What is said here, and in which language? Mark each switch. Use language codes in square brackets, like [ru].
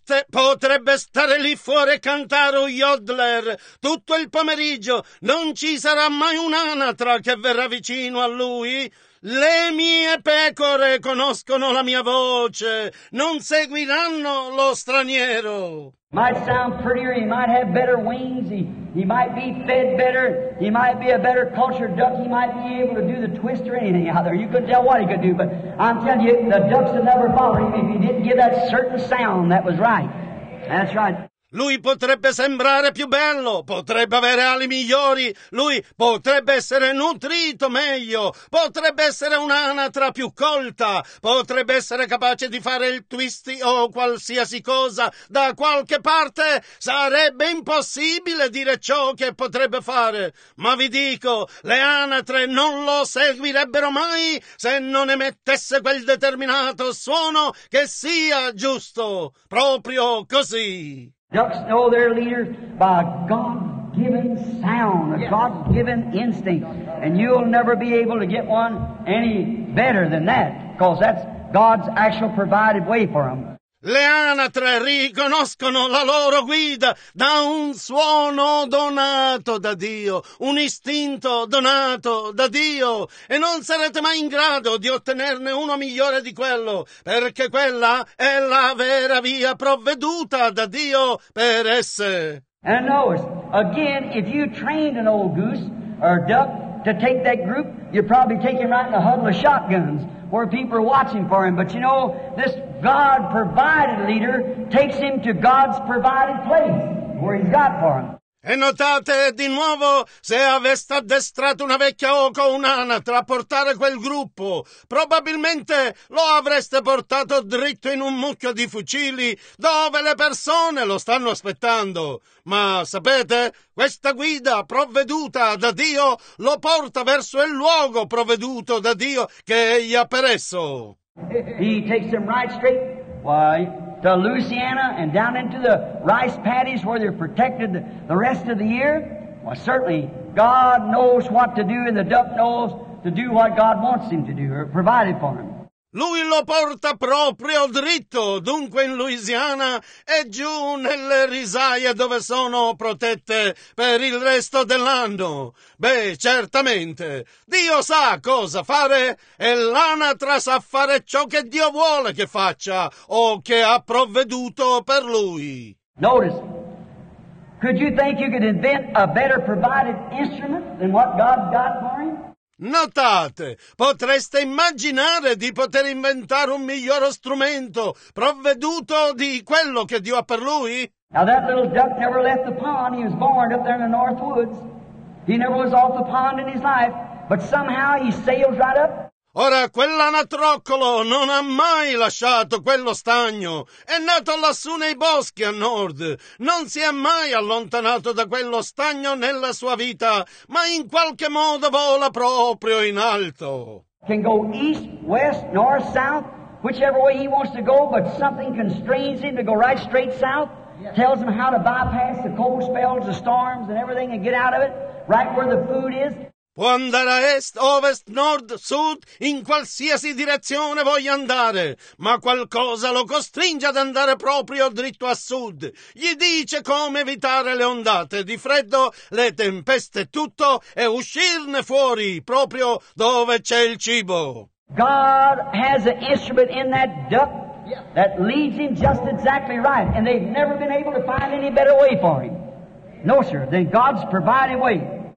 [it] Potrebbe stare lì fuori e cantare un yodler tutto il pomeriggio. Non ci sarà mai un'anatra che verrà vicino a lui. Le mie pecore conoscono la mia voce. Non seguiranno lo straniero. [en] Might sound prettier, he might have better wings, he might be fed better, he might be a better cultured duck, he might be able to do the twist or anything out there. You couldn't tell what he could do, but I'm telling you, the ducks would never bother him if he didn't give that certain sound that was right. That's right. [it] Lui potrebbe sembrare più bello, potrebbe avere ali migliori, lui potrebbe essere nutrito meglio, potrebbe essere un'anatra più colta, potrebbe essere capace di fare il twist o qualsiasi cosa da qualche parte. Sarebbe impossibile dire ciò che potrebbe fare, ma vi dico, le anatre non lo seguirebbero mai se non emettesse quel determinato suono che sia giusto, proprio così. [en] Ducks know their leader by a God-given sound, a God-given instinct. And you'll never be able to get one any better than that, because that's God's actual provided way for them. [it] Le anatre riconoscono la loro guida da un suono donato da Dio, un istinto donato da Dio, e non sarete mai in grado di ottenerne uno migliore di quello, perché quella è la vera via provveduta da Dio per esse. [en] And notice, again, if you trained an old goose or duck to take that group, you'd probably take him right in the huddle of shotguns where people are watching for him. But you know, this God-provided leader takes him to God's provided place where he's got for him. [it] E notate di nuovo, se aveste addestrato una vecchia oca o un'anatra a portare quel gruppo, probabilmente lo avreste portato dritto in un mucchio di fucili dove le persone lo stanno aspettando. Ma sapete, questa guida provveduta da Dio lo porta verso il luogo provveduto da Dio che egli ha per esso. [en] He takes them right straight, why, to Louisiana and down into the rice paddies where they're protected the rest of the year? Well, certainly, God knows what to do and the duck knows to do what God wants him to do or provided for him. [it] Lui lo porta proprio dritto, dunque in Louisiana e giù nelle risaie dove sono protette per il resto dell'anno. Beh, certamente, Dio sa cosa fare e l'anatra sa fare ciò che Dio vuole che faccia o che ha provveduto per lui. [en] Notice, could you think you could invent a better provided instrument than what God's got for him? [it] Notate, potreste immaginare di poter inventare un migliore strumento provveduto di quello che Dio ha per lui? [en] Now that little duck never left the pond. He was born up there in the North Woods. He never was off the pond in his life, but somehow he sails right up. [it] Ora quell'anatroccolo non ha mai lasciato quello stagno, è nato lassù nei boschi a nord, non si è mai allontanato da quello stagno nella sua vita, ma in qualche modo vola proprio in alto. [en] Can go east, west, north, south, whichever way he wants to go, but something constrains him to go right straight south, tells him how to bypass the cold spells, the storms and everything and get out of it, right where the food is. [it] Può andare a est, ovest, nord, sud, in qualsiasi direzione voglia andare, ma qualcosa lo costringe ad andare proprio dritto a sud. Gli dice come evitare le ondate di freddo, le tempeste, tutto, e uscirne fuori, proprio dove c'è il cibo. [en] God has an instrument in that duck that leads him just exactly right, and they've never been able to find any better way for him. No, sir, than God's provided way.